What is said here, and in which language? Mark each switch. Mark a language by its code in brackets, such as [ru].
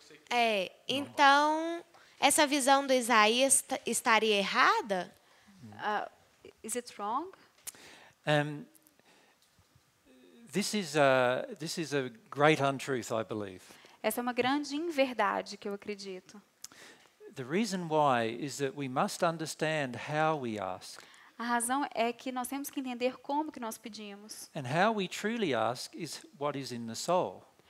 [pt] É, então essa visão do Isaías estaria errada? [en] Is it wrong? This is a great untruth, I believe. [pt] Essa é uma grande inverdade que eu acredito. [en] The reason why is that we must understand how we ask. [pt] A razão é que nós temos que entender como que nós pedimos. [en] And how we truly ask is what is in the soul.